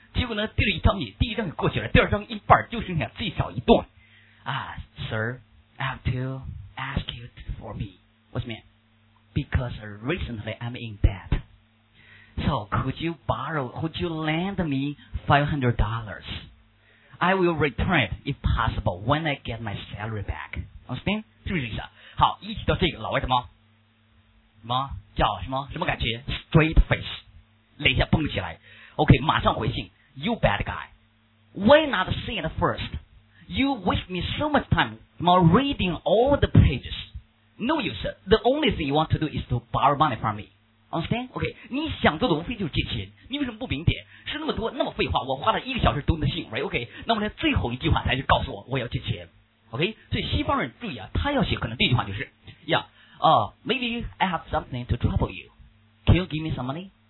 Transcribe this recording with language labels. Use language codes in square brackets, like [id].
[zh] 结果呢，递了一张，第一张过去了，第二张一半就剩下最少一段。 [en] Sir, I have to ask you for me. What's mean? Because recently I'm in debt. So could you lend me $500? I will return it if possible when I get my salary back. Understand? 是不是意思？ [zh] 好，一提到这个，老外什么叫什么感觉 ？Straight face， 脸一下绷起来。OK， 马上回信。 You bad guy. [en] Why not say it first? You waste me so much time reading all the pages. No use. The only thing you want to do is to borrow money from me. Understand? [zh] OK， 你想做的无非就是借钱，你为什么不明点？是那么多那么废话，我花了一个小时读你的信 ，right？ OK， 那么呢，最后一句话他就告诉我要借钱 ，OK？所以西方人注意啊，他要写可能第一句话就是 ， Yeah， maybe I have something to trouble you， can you give me some money？